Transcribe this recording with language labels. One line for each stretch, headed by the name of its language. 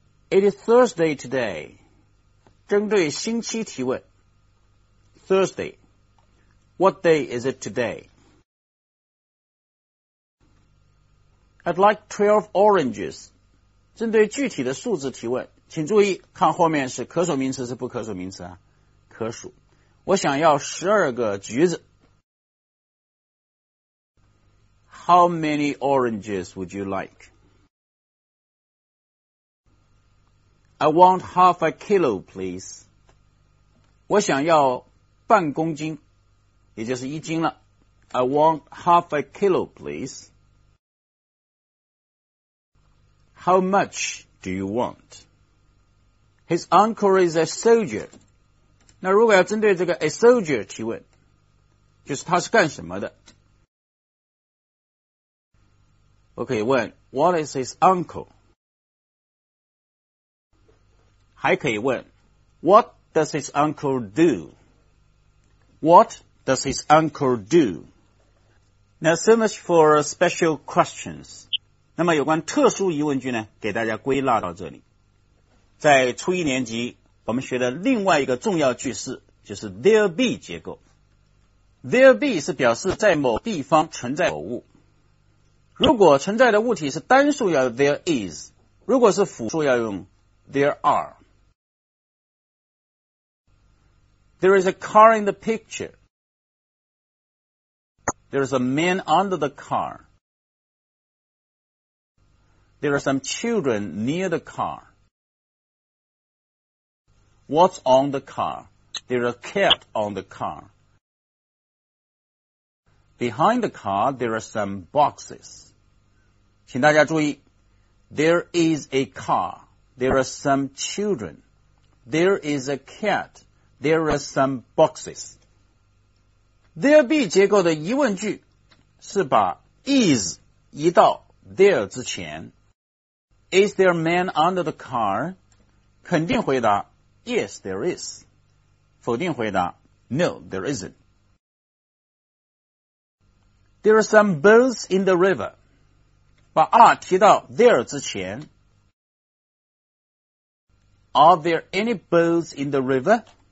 English: It is Thursday today,
Chinese: 针对星期提问。
English: Thursday, what day is it today? I'd like 12 oranges,
Chinese: 针对具体的数字提问。请注意看后面是可数名词是不可数名词啊？可数。我想要12个橘子。
English: How many oranges would you like? I want half a kilo, please.
Chinese: 我想要半公斤，也就是一斤了。
English: I want half a kilo, please. How much do you want? His uncle is a soldier.
Chinese: 那如果要针对这个 a soldier 提问，就是他是干什么的？我可以问
English: What is his uncle? 还可以问 What does his uncle do? What does his uncle do? Now so much for special questions.
Chinese: 那么有关特殊疑问句呢，给大家归纳到这里。在初一年级我们学的另外一个重要句式就是 there be 结构。 there be 是表示在某地方存在某物。如果存在的物体是单数要 there is, 如果是复数要用 there are。
English: there is a car in the picture. there is a man under the car. there are some children near the car. What's on the car? There's a cat on the car. Behind the car, there are some boxes.
Chinese: 请大家注意，
English: There is a car. There are some children. There is a cat. There are some boxes.
Chinese: There be 结构的疑问句是把 is 移到 there 之前。
English: Is there a man under the car?
Chinese: 肯定回答
English: Yes, there is.
Chinese: 否定回答
English: No, there isn't. There are some boats in the river.
Chinese: 把 are 提到 there 之前。
English: Are there any boats in the river?